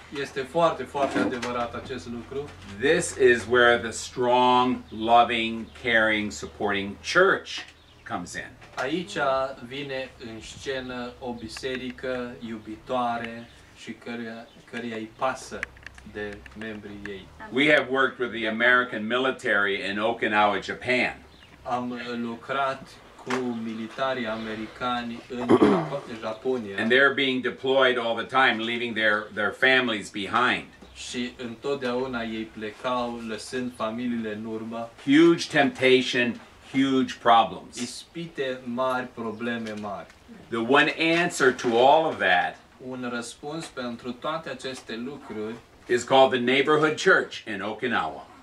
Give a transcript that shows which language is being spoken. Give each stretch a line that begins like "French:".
Romanian: Este foarte, foarte adevărat acest lucru.
English: This is where the strong, loving, caring, supporting church comes in.
Romanian: Aici vine în scenă o biserică iubitoare și căreia îi pasă. De membrii ei.
English: We have worked with the American military in Okinawa, Japan.
Romanian: Am lucrat cu militarii americani în Japonia.
English: And they're being deployed all the time, leaving their families behind.
Romanian: Și întotdeauna ei plecau lăsând familiile în urmă.
English: Huge temptation, huge problems.
Romanian: Ispite mari, probleme mari.
English: The one answer to all of that.
Romanian: Un răspuns pentru toate aceste lucruri.
English: is called the Neighborhood Church in Okinawa.